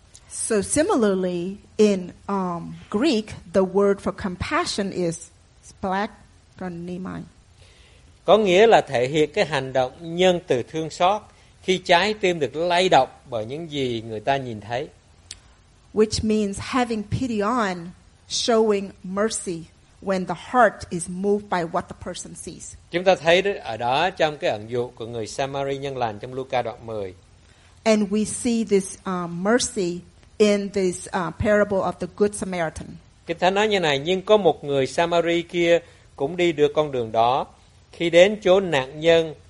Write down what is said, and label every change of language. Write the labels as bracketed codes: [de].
[en] So similarly, in Greek, the word for compassion is splakonimai. [vi] Có nghĩa là thể hiện cái hành động nhân từ thương xót khi trái tim được lay động bởi những gì người ta nhìn thấy. [en] Which means having pity on, showing mercy when the heart is moved by what the person sees. [vi] Chúng ta thấy ở đó trong cái ẩn dụ của người Samari nhân lành trong Luca đoạn 10. [en] And we see this mercy in this parable of the good Samaritan. [vi] Kinh Thánh nói như này, nhưng có một người Samari kia cũng đi được con đường đó, khi đến chỗ nạn nhân